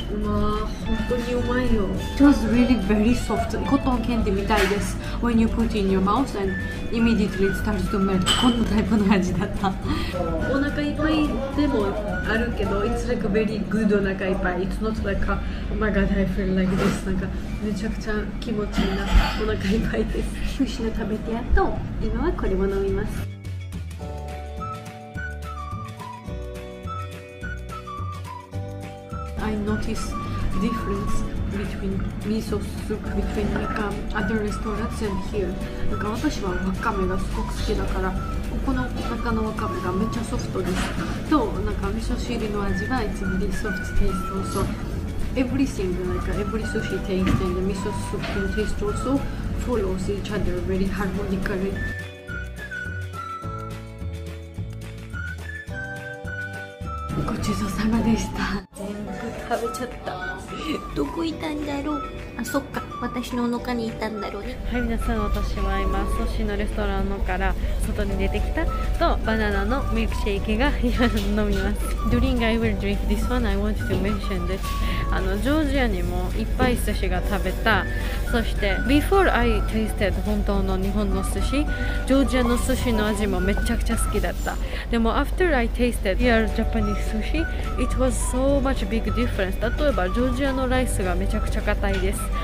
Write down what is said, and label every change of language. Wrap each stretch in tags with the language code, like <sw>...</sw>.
<ja>うわー本当にうまいよ。</ja> <en>It was really very soft。</en> <ja>コットンキャンディみたいです。</ja> <en>When you put in your mouth and immediately it starts to melt。</en> <ja>こんなタイプの味だった。お腹いっぱいでもあるけど</ja> <en>It's like a very good</en> <ja>お腹いっぱい。</ja> <en>It's not like a Oh my god I feel like this。</en> <ja>なんかめちゃくちゃ気持ちいいな。お腹いっぱいです。寿司の食べてやっと今はこれも飲みます。</ja> <en>I notice difference between miso soup between like other restaurants and here。</en> <ja>なんか私はわかめがすごく好きだからここの中のわかめがめっちゃソフトです。となんか味噌汁の味が</ja> <en>It's really soft taste also。 Everything like every sushi taste and the miso soup can taste also follows each other very harmonically。</en> <ja>ごちそうさまでした。全部食べちゃった。どこいたんだろう。あ、そっか。私のお腹にいたんだろうね。はい、皆さん、私は今寿司のレストランのから外に出てきたとバナナのミルクシェイクが飲みます。</ja> <en>During I will drink this one, I want to mention this.</en> <ja>あのジョージアにもいっぱい寿司が食べた。そして</ja> <en>Before I tasted</en> <ja>本当の日本の寿司、ジョージアの寿司の味もめちゃくちゃ好きだった。</ja> <en>でも After I tasted real Japanese sushi, it was so much big difference.</en> <ja>例えばジョージアのライスがめちゃくちゃ硬いです。</ja>